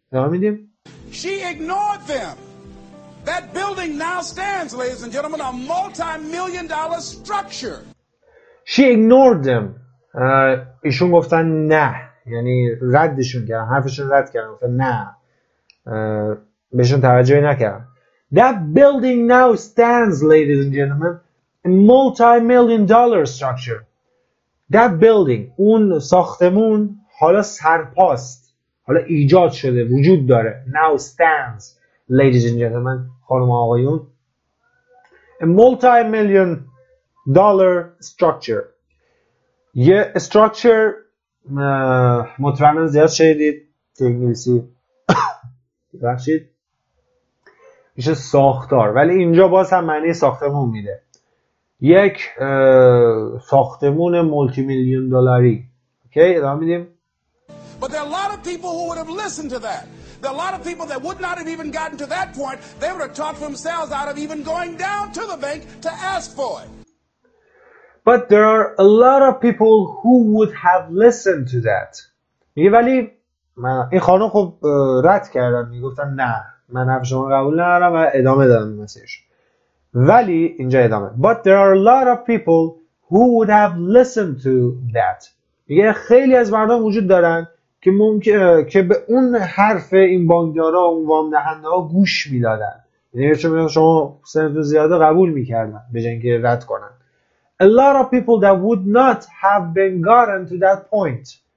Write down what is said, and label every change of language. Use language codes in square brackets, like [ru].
[fa] نمی دیدیم؟ [en] She ignored them. That building now stands, ladies and gentlemen, a multi-million dollar structure. She ignored them. [fa] ایشون گفتن نه، یعنی ردشون کردن، حرفشون رد کردن، گفتن نه. بهشون توجهی نکردن. [en] That building now stands, ladies and gentlemen, a multi-million dollar structure. That building، [fa] اون ساختمون حالا سرپاست، حالا ایجاد شده، وجود داره. [en] Now stands, ladies and gentlemen، [fa] خانم آقایون، [en] a multi-million dollar structure. [fa] یه structure، مطمئنن زیاد شدید تو انگلیسی بخشید، میشه ساختار، ولی اینجا باز هم معنی ساختمون میده. یک ساختمون مولتی میلیون دلاری. اوکی، ادامه میدیم. [en] But there are a lot of people who would have listened to that. There are a lot of people that would not have even gotten to that point. They would have talked themselves out of even going down to the bank to ask for it. But there are a lot of people who would have listened to that. [fa] میگه ولی این خانم خب رد کردن، میگفتن نه من حرف شما قبول ندارم، و ادامه دادم مسیج. ولی اینجا ادامه، [en] but there are a lot of people who would have listened to that. [fa] میگه خیلی از مردم وجود دارن که ممکن که به اون حرف این بانکدارا، اون وام دهنده ها گوش میدادن، یعنی چون شما سنتون زیاده قبول میکردن به جای اینکه رد کنن. [en] A lot of people that would not have been gotten to that point.